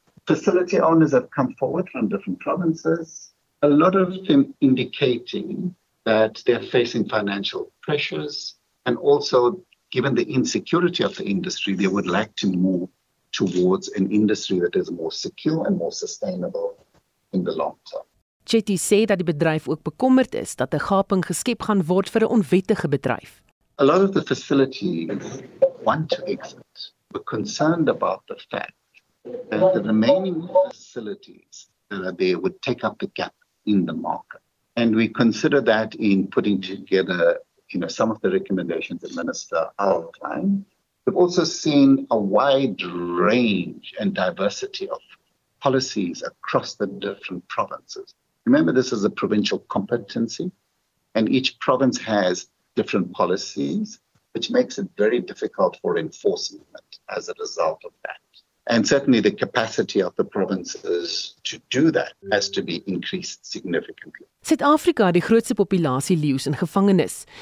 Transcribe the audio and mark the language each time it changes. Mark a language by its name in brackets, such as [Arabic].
[English] Facility owners have come forward from different provinces, a lot of them indicating that they're facing financial pressures, and also given the insecurity of the industry, they would like to move towards an industry that is more secure and more sustainable in the long term. [Afrikaans] Chetty sê dat die bedryf ook bekommerd is dat 'n gaping geskep gaan word vir 'n onwettige bedryf. [English] A lot of the facilities want to exit, but concerned about the fact that the remaining facilities that are there would take up the gap in the market. And we consider that in putting together, you know, some of the recommendations that Minister outlined. We've also seen a wide range and diversity of policies across the different provinces. Remember, this is a provincial competency, and each province has different policies, which makes it very difficult for enforcement as a result of that. And certainly the capacity of the provinces to do that has to be increased significantly. [Afrikaans] Suid-Afrika het die grootste populasie leeu's in gevangenis.